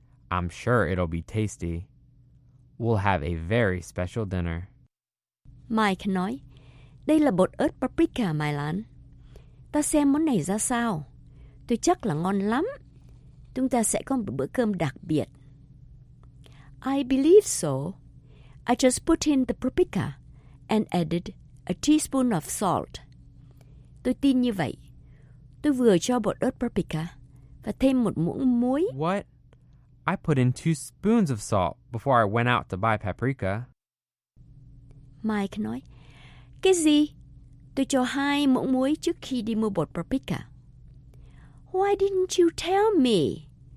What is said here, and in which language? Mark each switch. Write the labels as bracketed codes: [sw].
[en] I'm sure it'll be tasty. We'll have a very special dinner. [vi] Mike nói, đây là bột ớt paprika, Mylan. Ta xem món này ra sao. Tôi chắc là ngon lắm. Chúng ta sẽ có một bữa cơm đặc biệt. [en] I believe so. I just put in the paprika and added a teaspoon of salt. [vi] Tôi tin như vậy. Tôi vừa cho bột ớt paprika và thêm một muỗng muối. [en] What? I put in 2 spoons of salt before I went out to buy paprika. [vi] Mike nói, cái gì? Tôi cho 2 muỗng muối trước khi đi mua bột paprika. Why didn't you tell me?